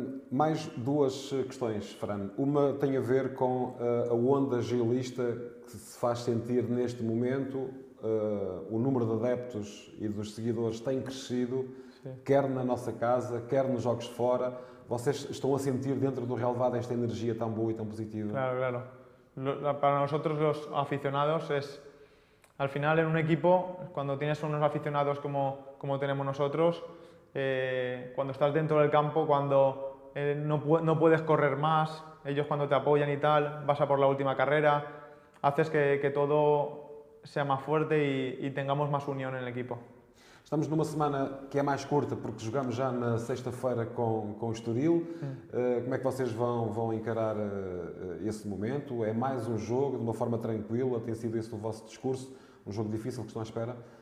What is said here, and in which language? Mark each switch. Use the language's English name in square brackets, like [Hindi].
[Portuguese] Mais duas questões, Fran. Uma tem a ver com a onda gilista que se faz sentir neste momento. O número de adeptos e dos seguidores tem crescido, sim. Quer na nossa casa, quer nos jogos de fora. Vocês estão a sentir dentro do relvado esta energia tão boa e tão positiva? Claro, claro. Para nós, os aficionados, [Spanish] al final, em um equipo, [Portuguese] quando tens uns aficionados como temos nós, [Spanish] cuando estás dentro del campo, cuando no puedes correr más, ellos cuando te apoyan y tal, vas a por la última carrera, haces que todo sea más fuerte y tengamos más unión en el equipo. [Portuguese] Estamos numa semana que é mais curta, porque jogamos já na sexta-feira com o Estoril. Como é que vocês vão encarar esse momento? É mais um jogo, de uma forma tranquila, tem sido esse o vosso discurso? Um jogo difícil que estão à espera?